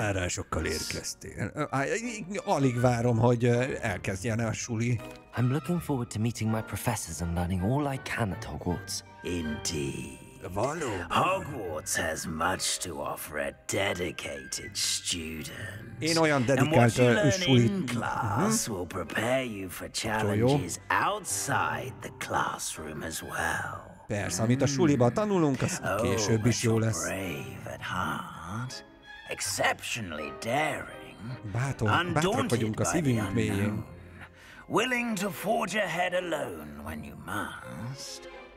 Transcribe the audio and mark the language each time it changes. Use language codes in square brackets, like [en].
[hu] Elvárásokkal érkeztél. Alig várom, hogy elkezdjen a suli. [en] I'm looking forward to meeting my professors and learning all I can at Hogwarts. Indeed. Hogwarts has much to offer a dedicated student. [hu] Én olyan dedikált [en] suli class will prepare you for challenges outside the classroom as well. [hu] Persze, amit a suliba tanulunk, az később is jó lesz. [en] Brave at heart, exceptionally daring, [hu] bátrak vagyunk a szívünk mélyén. [en] Willing to forge ahead alone when you must.